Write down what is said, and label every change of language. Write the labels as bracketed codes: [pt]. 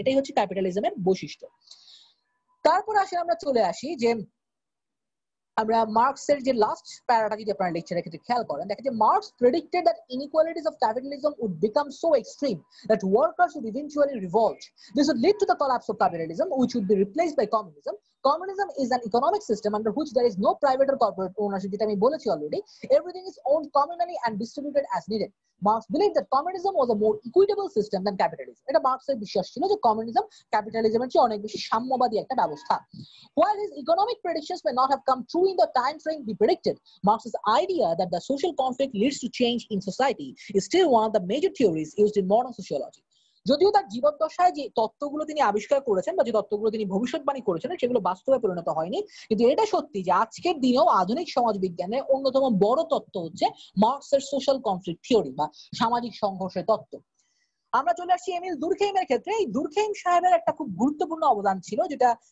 [bn] এটাই হচ্ছে ক্যাপিটালিজমের বৈশিষ্ট্য। তারপরে আসলে আমরা চলে আসি যে আমরা মার্কসের যে লাস্ট প্যারাটা যদি আপনারা লিখছেন এক্ষেত্রে খেয়াল করেন, দেখেন যে [en] Marx predicted that inequalities of capitalism would become so extreme that workers would eventually revolt, this would lead to the collapse of capitalism which would be replaced by communism. Communism is an economic system under which there is no private or corporate ownership, which I have already told you. Everything is owned communally and distributed as needed. Marx believed that communism was a more equitable system than capitalism. [bn] এটা মার্কসের বিশ্বাস ছিল যে communism capitalism এর চেয়ে অনেক বেশি সাম্যবাদী একটা ব্যবস্থা। [en] While his economic predictions may not have come true in the time frame he predicted, Marx's idea that the social conflict leads to change in society is still one of the major theories used in modern sociology. [bn] যদিও তার জীবদ্দশায় যে তত্ত্বগুলো তিনি আবিষ্কার করেছেন বা যে তত্ত্বগুলো তিনি ভবিষ্যৎবাণী করেছেন সেগুলো বাস্তবে পরিণত হয়নি, কিন্তু এটা সত্যি যে আজকের দিনেও আধুনিক সমাজ বিজ্ঞানের অন্যতম বড় তত্ত্ব হচ্ছে মার্কসের সোশ্যাল কনফ্লিক্ট থিওরি বা সামাজিক সংঘর্ষের তত্ত্ব। আমরা চলে আসছি এমিল দুর্খেইমের ক্ষেত্রে। এই দুর্খেইম সাহেবের একটা খুব গুরুত্বপূর্ণ অবদান ছিল, যেটা